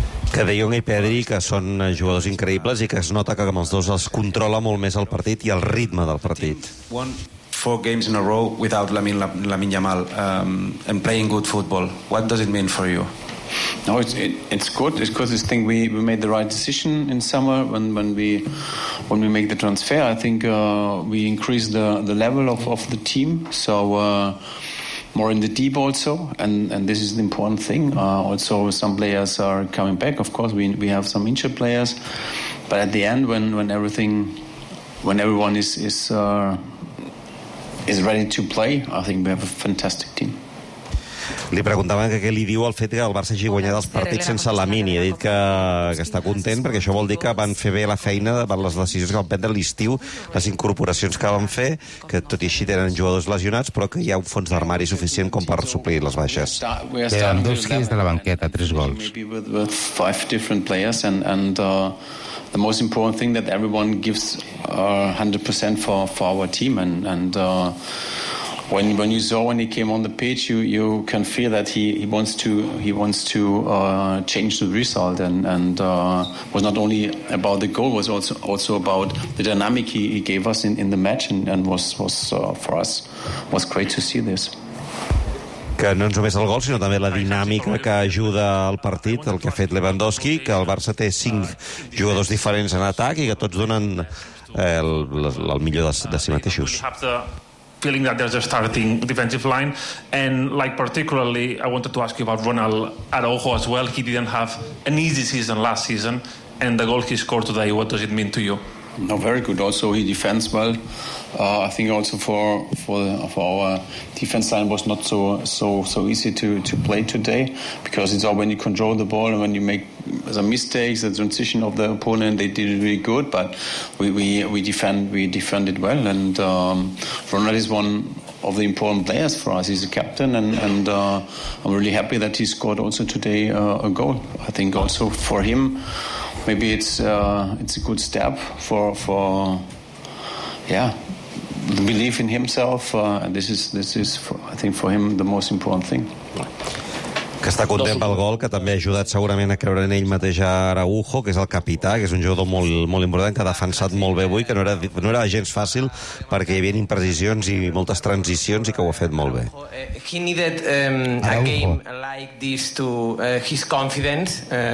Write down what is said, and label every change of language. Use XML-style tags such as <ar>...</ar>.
<ca>Que De Jong i Pedri, que són jugadors increïbles, i que es nota que amb els dos es controla molt més el partit i el ritme del partit.</ca> <en>Four games in a row without Lamine Yamal, and playing good football. What does it mean for you? No, it's good. It's because I think we made the right decision in summer when we make the transfer. I think we increased the level of the team. So more in the deep also, and this is the important thing. Also, some players are coming back. Of course, we have some injured players, but at the end, when everyone is ready to play, I think we have a fantastic team.</en> <ca>Li preguntaven que què li diu el fet que el Barça hagi guanyat els partits sense Lamine, i ha dit que està content perquè això vol dir que van fer bé la feina per les decisions que van prendre l'estiu, les incorporacions que van fer, que tot i així tenen jugadors lesionats, però que hi ha un fons d'armari suficient com per suplir les baixes. Lewandowski és de la banqueta, 3 gols.</ca> <en>The most important thing that everyone gives 100% for our team, and When you saw when he came on the pitch, you can feel that he wants to change the result and was not only about the goal, was also about the dynamic he gave us in the match and was for us great to see this.</en> <ca>Que no és només el gol, sinó també la dinàmica que ajuda al partit, el que ha fet Lewandowski, que el Barça té 5 jugadors diferents en atac i que tots donen el millor de si mateixos.</ca> <en>Feeling that there's a starting defensive line, and like particularly I wanted to ask you about Ronald Araujo as well. He didn't have an easy season last season, and the goal he scored today, what does it mean to you? No, very good. Also, he defends well. I think also for our defense line was not so easy to play today, because it's all when you control the ball and when you make some mistakes, the transition of the opponent, they did it really good. But we defended well, and Ronald is one of the important players for us. He's a captain, and I'm really happy that he scored also today a goal. I think also for him, maybe it's a good step for the belief in himself. This is for him the most important thing.</en> <ca>Que està content pel gol, que també ha ajudat segurament a creure en ell mateix a Araujo, que és el capità, que és un jugador molt, molt important, que ha defensat molt bé avui, que no era gens fàcil perquè hi havia imprecisions i moltes transicions i que ho ha fet molt bé.</ca> <en>He needed a game like this to his confidence.</en>